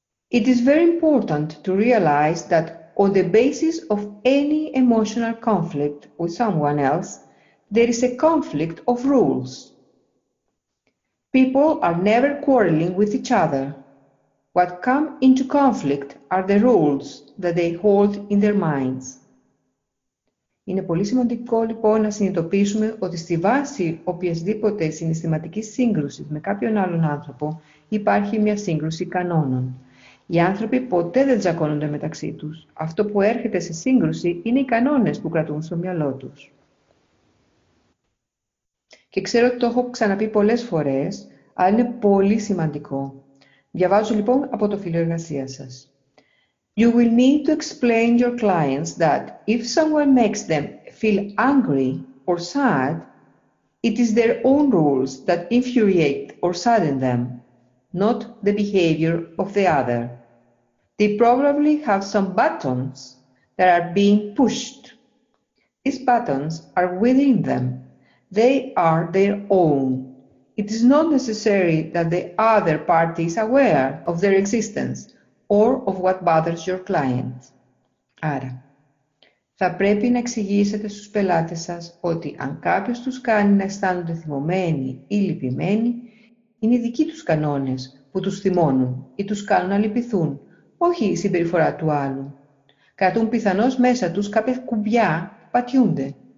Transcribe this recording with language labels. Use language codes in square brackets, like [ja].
[en] It is very important to realize that on the basis of any emotional conflict with someone else, there is a conflict of rules. People are never quarreling with each other. What come into conflict are the rules that they hold in their minds. [el] Είναι πολύ σημαντικό λοιπόν να συνειδητοποιήσουμε ότι στη βάση οποιασδήποτε συναισθηματικής σύγκρουσης με κάποιον άλλον άνθρωπο υπάρχει μια σύγκρουση κανόνων. Οι άνθρωποι ποτέ δεν τζακώνονται μεταξύ τους. Αυτό που έρχεται σε σύγκρουση είναι οι κανόνες που κρατούν στο μυαλό τους. Και ξέρω ότι το έχω ξαναπεί πολλές φορές, αλλά είναι πολύ σημαντικό. Διαβάζω λοιπόν από το φύλλο εργασίας σας. [en] You will need to explain your clients that if someone makes them feel angry or sad, it is their own rules that infuriate or sadden them, not the behavior of the other. They probably have some buttons that are being pushed. These buttons are within them. They are their own. It is not necessary that the other party is aware of their existence or of what bothers your client. [el] Άρα, θα πρέπει να εξηγήσετε στους πελάτες σας ότι αν κάποιος τους κάνει να αισθάνονται θυμωμένοι ή λυπημένοι, είναι οι δικοί τους κανόνες που τους θυμώνουν ή τους κάνουν να λυπηθούν, όχι η συμπεριφορά του άλλου. Κρατούν πιθανώς μέσα τους κάποια κουμπιά που πατιούνται.